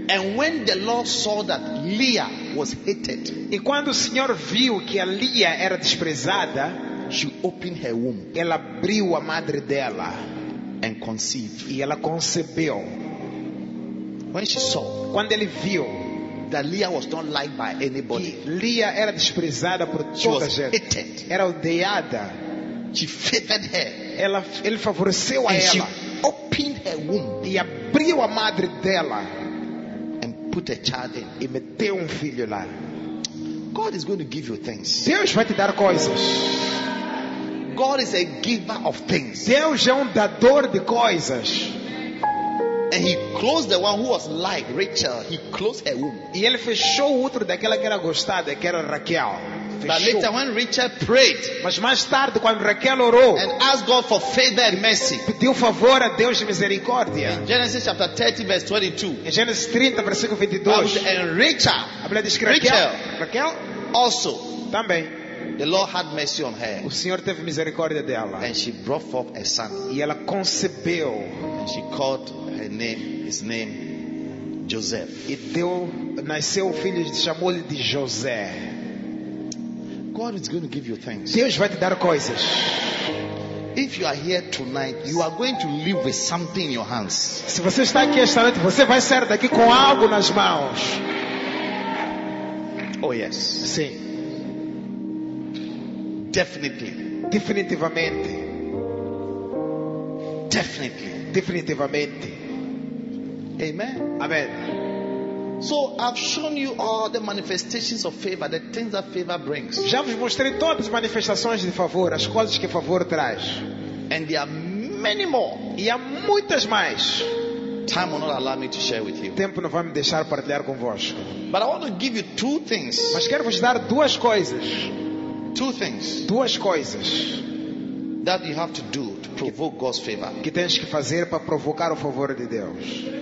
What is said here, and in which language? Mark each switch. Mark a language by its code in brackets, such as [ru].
[en] And when the Lord saw that Leah was hated. [pt] E quando o Senhor viu que a Leah era desprezada, [en] she opened her womb. [pt] Ela abriu a madre dela. [en] And conceived. [pt] E ela concebeu. [en] When she saw, [pt] quando ele viu, [en] that Leah was not liked by anybody. [pt] Leah era desprezada por toda a gente. [en] Hated. [pt] Era odiada. [en] She favored her. [pt] Ela, ele favoreceu [en] and [pt] a ela. [en] She opened her womb. [pt] E abriu a madre dela. [en] And put a child in. [pt] E meteu filho lá. [en] God is going to give you things. [pt] Deus vai te dar coisas. [en] God is a giver of things. [pt] Deus é dador de coisas. [en] And he closed the one who was like Rachel. He closed her womb. [pt] E ele fechou o outro daquela que era gostada, que era Raquel. [en] But later when Rachel prayed, [pt] mas mais tarde quando Raquel orou, [en] and asked God for favor and mercy, [pt] pediu favor a Deus de misericórdia. [en] In Genesis chapter 30 verse 22. [pt] Em Gênesis 30 versículo 22. [en] And Rachel, [pt] a mulher diz que Raquel, [en] Raquel also, [pt] também, [en] the Lord had mercy on her. [pt] O Senhor teve misericórdia dela. [en] And she brought forth a son. [pt] E ela concebeu. [en] And she called her name, his name, Joseph. [pt] E deu, nasceu o filho e chamou-lhe de José. [en] God is going to give you things. [pt] Deus vai te dar coisas. [en] If you are here tonight, you are going to live with something in your hands. [pt] Se você está aqui esta noite, você vai sair daqui com algo nas mãos. [en] Oh yes. [pt] Sim. [en] Definitely. [pt] Definitivamente. [en] Definitely. [pt] Definitivamente. [en] Amen. [pt] Amen. [en] So I've shown you all the manifestations of favor, the things that favor brings. [pt] Já vos mostrei todas as manifestações de favor, as coisas que favor traz. [en] And there are many more. [pt] E há muitas mais. [en] Time will not allow me to share with you. [pt] Tempo não vai me deixar partilhar convosco. [en] But I want to give you two things. [pt] Mas quero vos dar duas coisas. [en] Two things. [pt] Duas coisas. [en] That you have to do to provoke God's favor. [pt] Que tens que fazer para provocar o favor de Deus.